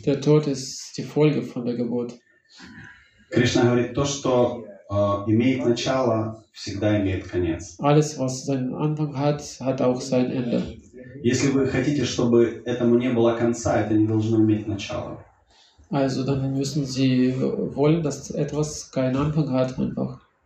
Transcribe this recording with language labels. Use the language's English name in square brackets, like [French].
[German] Der Tod ist die Folge von der Geburt. [Russian] Кришна говорит, то, что имеет начало, всегда имеет конец. [German] Alles, was seinen Anfang hat, hat auch sein Ende. [Russian] Если вы хотите, чтобы этому не было конца, это не должно иметь начало. [German] Also, dann müssen Sie wollen, dass etwas keinen Anfang hat, einfach.